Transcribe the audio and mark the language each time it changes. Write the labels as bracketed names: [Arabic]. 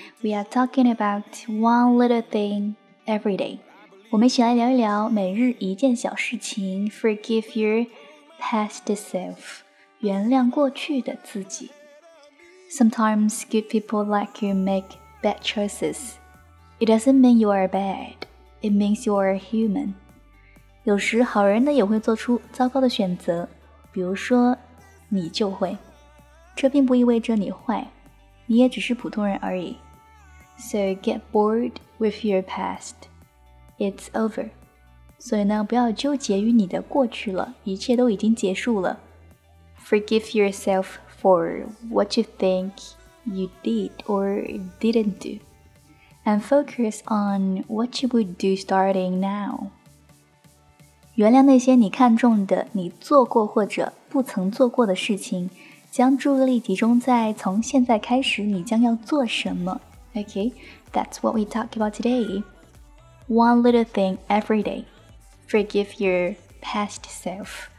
[English] We are talking about one little thing every day。 [Chinese] 我们一起来聊一聊每日一件小事情。 [English] Forgive your past self， [Chinese] 原谅过去的自己。 [English] Sometimes good people like you make bad choices。 It doesn't mean you are bad， It means you are human。 [Chinese] 有时好人呢也会做出糟糕的选择，比如说你就会，这并不意味着你坏，你也只是普通人而已。 [English] So get bored with your past. It's over. [Chinese] 所以呢，不要纠结于你的过去了，一切都已经结束了。 [English] Forgive yourself for what you think you did or didn't do. And focus on what you would do starting now. [Chinese] 原谅那些你看中的你做过或者不曾做过的事情，将注意力集中在从现在开始你将要做什么。 [English] Okay, that's what we talk about today. One little thing every day. Forgive your past self.